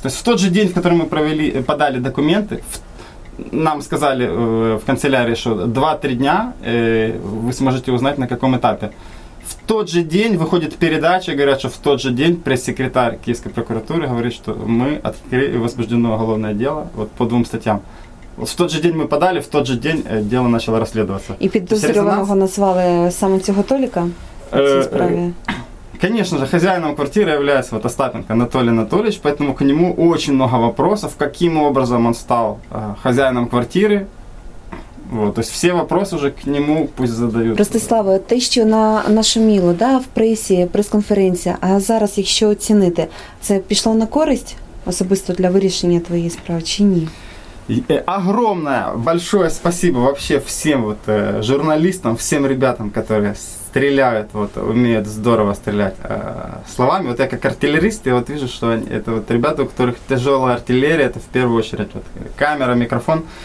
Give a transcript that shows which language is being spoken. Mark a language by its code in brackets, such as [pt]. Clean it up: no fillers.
[ru] То есть в тот же день, в который мы провели, подали документы, нам сказали в канцелярии, что 2-3 дня вы сможете узнать, на каком этапе. В тот же день выходит передача, говорят, что в тот же день пресс-секретарь Киевской прокуратуры говорит, что мы открыли возбуждено уголовное дело вот по двум статьям. В тот же день мы подали, в тот же день дело начало расследоваться. [uk] И підозрюваного назвали саме цього Толіка в цій справі? [ru] Конечно же, хозяином квартиры является вот Остапенко Анатолий Анатольевич, поэтому к нему очень много вопросов, каким образом он стал хозяином квартиры. Вот, то есть все вопросы уже к нему пусть задают. [uk] Ростислава, те, що нашуміло, да, в пресі, прес-конференція, а зараз, якщо оцінити, це пішло на користь особисто для вирішення твоєї справи чи ні? [ru] Огромное большое спасибо вообще всем вот журналистам, всем ребятам, которые стреляют, вот умеют здорово стрелять словами. Вот я как артиллерист, я вот вижу, что они, это вот ребята, у которых тяжелая артиллерия, это в первую очередь вот, камера, микрофон.